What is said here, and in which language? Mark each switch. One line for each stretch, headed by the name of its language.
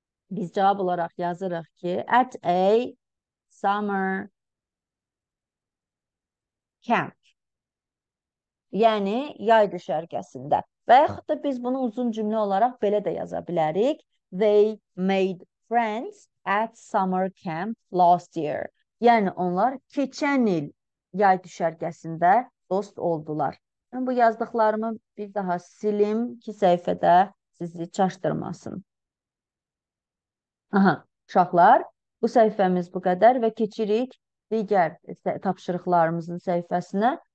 Azerbaijani: Biz cevap olarak yazırız ki
English: at a summer camp.
Azerbaijani: Yani yay düşərgəsində. Veyahut da biz bunu uzun cümlə olarak belə də yaza bilərik.
English: They made friends at summer camp last year.
Azerbaijani: Yani onlar keçən il yay düşərgəsində dost oldular. Mən bu yazdıqlarımı bir daha silim ki səhifədə sizi çaşdırmasın. Aha, uşaqlar, bu səhifəmiz bu qədər və keçirik digər tapşırıqlarımızın səhifəsinə.